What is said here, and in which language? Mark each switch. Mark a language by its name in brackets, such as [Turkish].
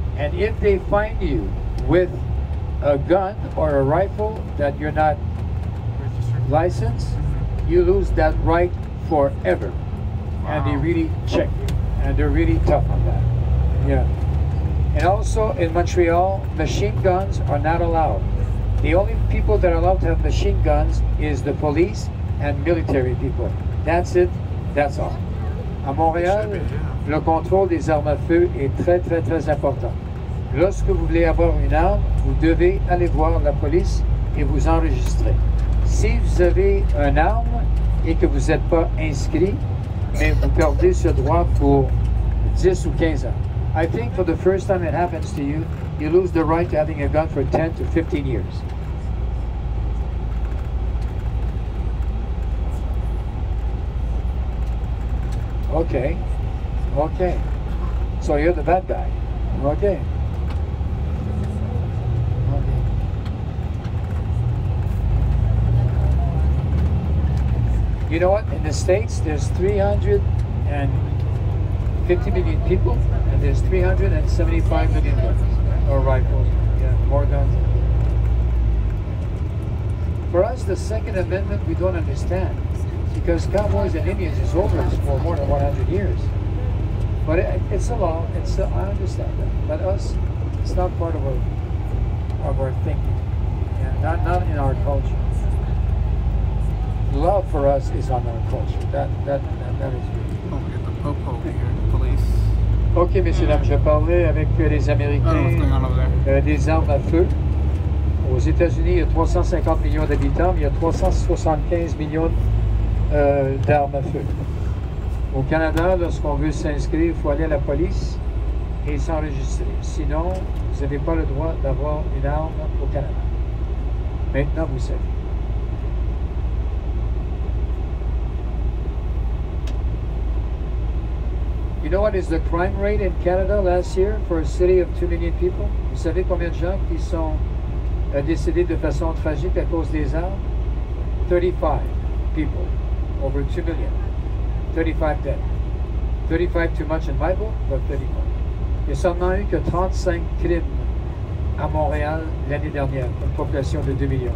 [English] And if they find you with a gun or a rifle that you're not licensed, you lose that right forever. Wow. And they really check you. And they're really tough on that. Yeah. And also in Montreal, machine guns are not allowed. The only people that are allowed to have machine guns is the police and military people. That's it. That's all. [French] À Montréal, le contrôle des armes à feu est très, très, très important. Lorsque vous voulez avoir une arme, vous devez aller voir la police et vous enregistrer. Si vous avez une arme et que vous n'êtes pas inscrit, mais vous perdez ce droit pour 10 ou 15 ans. [English] I think for the first time it happens to you, you lose the right to having a gun for 10 to 15 years. Okay. Okay. So you're the bad guy. Okay. You know what? In the States, there's 350 million people, and there's 375 million guns, or rifles. Yeah, more guns. For us, the Second Amendment, we don't understand, because cowboys and Indians is over for more than 100 years. But it's a law, I understand that. But us, it's not part of our thinking, yeah, not in our culture. Love for us is on our culture. That is true. Oh, we got the popo over here, the police. [French] Ok, messieurs, dames, je parlais avec les Américains des armes à feu. Aux États-Unis, il y a 350 millions d'habitants, mais il y a 375 millions d'armes à feu. Au Canada, lorsqu'on veut s'inscrire, il faut aller à la police et s'enregistrer. Sinon, vous n'avez pas le droit d'avoir une arme au Canada. Maintenant, vous savez. [English] You know what is the crime rate in Canada last year for a city of 2 million people? [French] Vous savez combien de gens qui sont décédés de façon tragique à cause des armes? [English] 35 people over 2 million. 35 dead. 35 too much in my book, but 35. [French] Il n'y a seulement eu que 35 crimes à Montréal l'année dernière, une population de 2 millions.